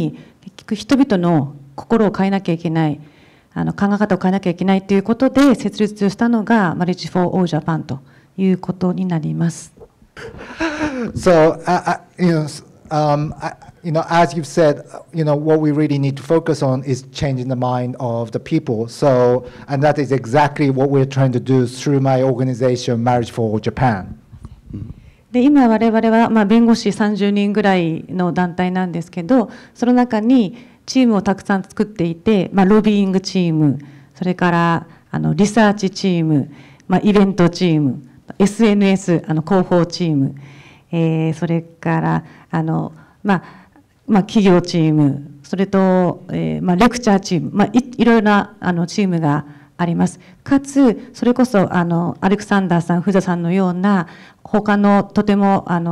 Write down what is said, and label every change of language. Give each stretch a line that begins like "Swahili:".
Japanese: まさしく今、質問していただいていたように、聞く人々の心を変えなきゃいけない、 考え方を変えなきゃいけないということで設立したのがマルチフォーオージャパンということになります。
English: So, as you've said, you know, what we really need to focus on is changing the mind of the people. So, and that is exactly what we're trying to do through my organization, Marriage for Japan.
Japanese: で、今我々は弁護士30人ぐらいの団体なんですけど、その中に チームをたくさん作っていて、ロビング、リサーチチーム、イベントチーム、SNS、広報チーム、それから企業チーム、それとレクチャーチーム、いろいろなチームがあります。かつ、それこそアレクサンダーさん、フジャさんのような他のとても